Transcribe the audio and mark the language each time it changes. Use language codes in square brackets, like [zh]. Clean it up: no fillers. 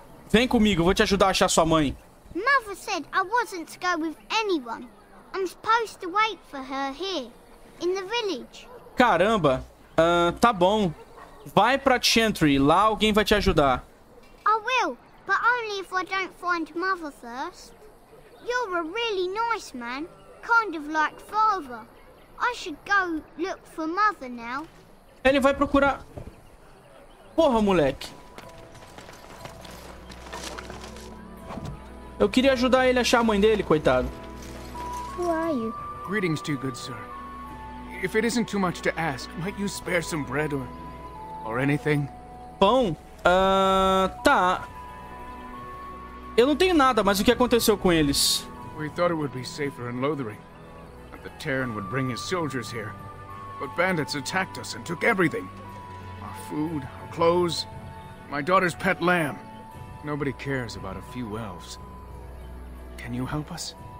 [pt] Vem comigo, vou te ajudar a achar sua mãe. [en] Mother said I wasn't to go with anyone. I'm supposed to wait for her here, in the village. [pt] Caramba, tá bom. Vai pra Chantry, lá alguém vai te ajudar. [en] I will, but only if I don't find Mother first. You're a really nice man, kind of like Father. I should go look for Mother now. [pt] Ele vai procurar... Porra, moleque. Eu queria ajudar ele a achar a mãe dele, coitado. [en] Who are you? Greetings to you, good sir. If it isn't too much to ask, might you spare some bread or... or anything? [pt] Pão? Tá. Eu não tenho nada, mas o que aconteceu com eles? [en] We thought it would be safer in Lothering. That the Terran would bring his soldiers here. But bandits attacked us and took everything. Our food, our clothes, my daughter's pet lamb. Nobody cares about a few elves. Can you help us?